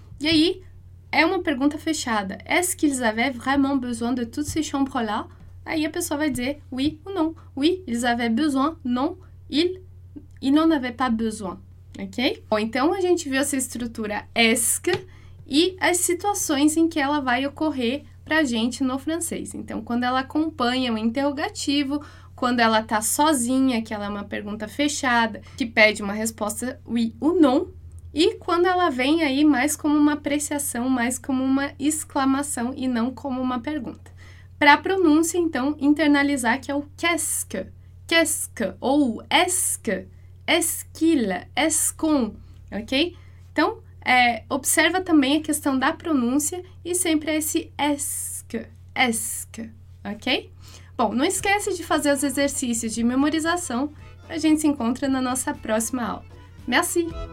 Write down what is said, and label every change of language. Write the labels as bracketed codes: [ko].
[pt] E aí, é uma pergunta fechada. [fr] Est-ce qu'ils avaient vraiment besoin de toutes ces chambres-là? [pt] Aí a pessoa vai dizer oui ou non. [fr] Oui, ils avaient besoin, non, ils n'en avaient pas besoin. Ok? [pt] Bom, então a gente viu essa estrutura est-ce e as situações em que ela vai ocorrer para a gente no francês. Então, quando ela acompanha um interrogativo, quando ela está sozinha, que ela é uma pergunta fechada, que pede uma resposta [fr] oui ou non, [pt] e quando ela vem aí mais como uma apreciação, mais como uma exclamação e não como uma pergunta. Para a pronúncia, então, internalizar que é o qu'est-ce que, ou est-ce que, est-ce qu'il, est-ce qu'on, ok? Então, observa também a questão da pronúncia e sempre é esse est-ce que, ok? Bom, não esquece de fazer os exercícios de memorização. A gente se encontra na nossa próxima aula. Merci!